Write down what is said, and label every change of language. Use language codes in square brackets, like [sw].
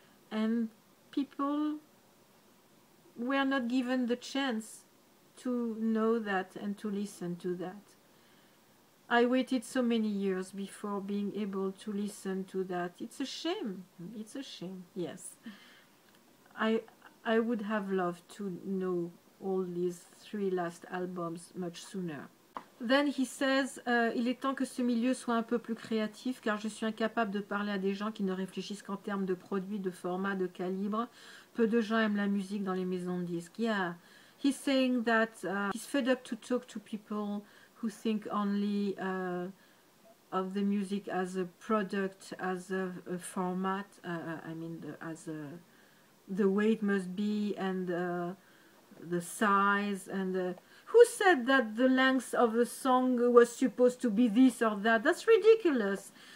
[en] And people were not given the chance to know that and to listen to that. I waited so many years before being able to listen to that. It's a shame. It's a shame. Yes. I would have loved to know all these three last albums much sooner. Then he says, [fr] il est temps que ce milieu soit un peu plus créatif, car je suis incapable de parler à des gens qui ne réfléchissent qu'en termes de produits, de format, de calibre. Peu de gens aiment la musique dans les maisons de disques. [en] Yeah, he's saying that he's fed up to talk to people who think only of the music as a product, as a format, the way it must be, and the size, and who said that the length of a song was supposed to be this or that? That's ridiculous.